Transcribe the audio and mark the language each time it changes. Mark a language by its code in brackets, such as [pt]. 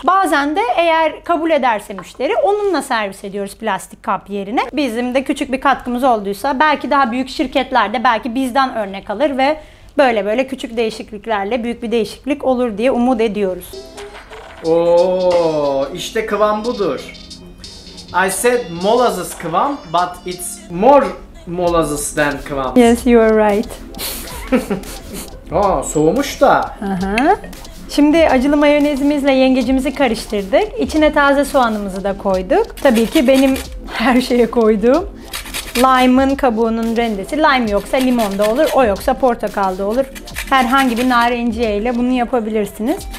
[tr] Bazen de eğer kabul ederse müşteri, onunla servis ediyoruz plastik kap yerine. Bizim de küçük bir katkımız olduysa, belki daha büyük şirketlerde, belki bizden örnek alır ve böyle böyle küçük değişikliklerle büyük bir değişiklik olur diye umut ediyoruz. Ooo, işte kıvam budur. [en] I said molasses kıvam, but it's more molasses than kıvam. Yes, you are right. [tr] Aa, soğumuş da. Şimdi acılı mayonezimizle yengecimizi karıştırdık. İçine taze soğanımızı da koyduk. Tabii ki benim her şeye koyduğum lime'ın kabuğunun rendesi. Lime yoksa limon da olur, o yoksa portakal da olur. Herhangi bir narinciyeyle bunu yapabilirsiniz.